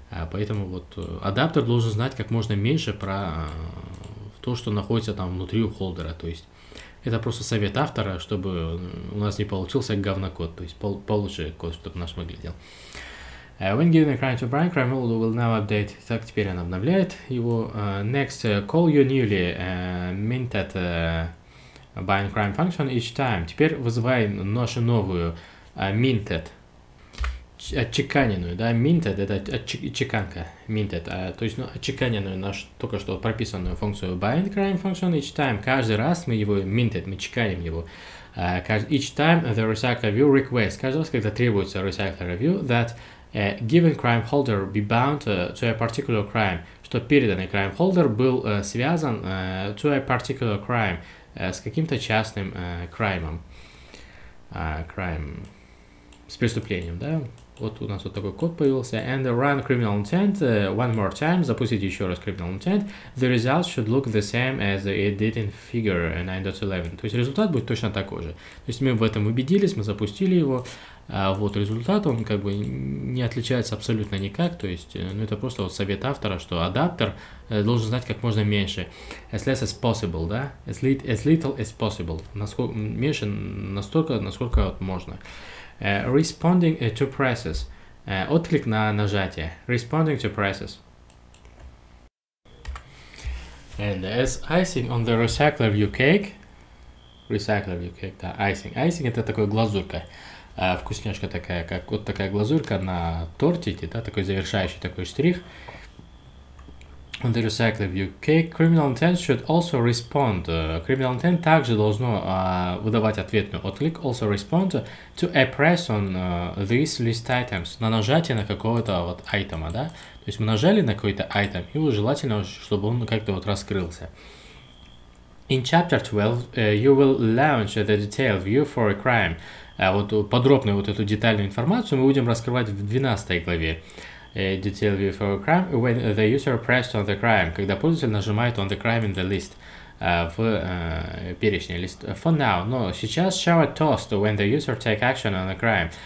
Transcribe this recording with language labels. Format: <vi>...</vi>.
<ru>Поэтому вот адаптер должен знать как можно меньше про... то, что находится там внутри у холдера, то есть это просто совет автора, чтобы у нас не получился говнокод, то есть получше код, чтобы наш выглядел.</ru> <en>When given a crime to bind, crime holder will now update.</en> <ru>Так, теперь он обновляет его.</ru> <en>Next, call your newly minted bind crime function each time.</en> <ru>Теперь вызывай нашу новую minted, отчеканенную, да, minted, это чеканка, minted, то есть, ну, отчеканенную нашу только что прописанную функцию bindCrime</ru> <en>function each time,</en> <ru>каждый раз мы его minted, мы чеканим его,</ru> <en>each time the recycler view requests,</en> <ru>каждый раз, когда требуется recycler view,</ru> <en>that a given crime holder be bound to a particular crime,</en> <ru>что переданный crime holder был связан</ru> <en>to a particular crime,</en> <ru>с каким-то частным crime,</ru> <en>crime</en> <ru>с преступлением, да? Вот у нас вот такой код появился.</ru> <en>And run criminal intent one more time.</en> <ru>Запустить еще раз</ru> <en>criminal intent. The result should look the same as it did in figure 9.11.</en> <ru>То есть результат будет точно такой же. То есть мы в этом убедились, мы запустили его. А вот результат, он как бы не отличается абсолютно никак. То есть, ну это просто вот совет автора, что адаптер должен знать как можно меньше.</ru> <en>As less as possible, да? As little as possible.</en> <ru>Насколько, меньше настолько, насколько вот можно.</ru> <en>Responding to presses.</en> <ru>Отклик на нажатие.</ru> <en>Responding to presses. And as icing on the recycler view cake. Recycler view cake, да, icing. Icing</en> <ru>это такая глазурька. Вкусняшка такая, как вот такая глазурька на тортике, да, такой завершающий такой штрих.</ru> <en>On the recycler view cake, criminal intent should also respond. Criminal intent</en> <ru>также должно выдавать ответную отклик,</ru> <en>also respond to a press on these list items.</en> <ru>На нажатие на какого-то вот айтема, да? То есть мы нажали на какой-то айтем, и желательно, чтобы он как-то вот раскрылся.</ru> <en>In chapter 12, you will launch the detailed view for a crime.</en> <ru>Вот подробную вот эту детальную информацию мы будем раскрывать в 12 главе.</ru> <en>Detail view for a crime when the user pressed on the crime,</en> <ru>когда пользователь нажимает</ru> <en>on the crime in the list,</en> <ru>в перечне</ru> <en>list. For now,</en> <ru>но сейчас</ru> <en>show a toast when the user take action on the crime.</en>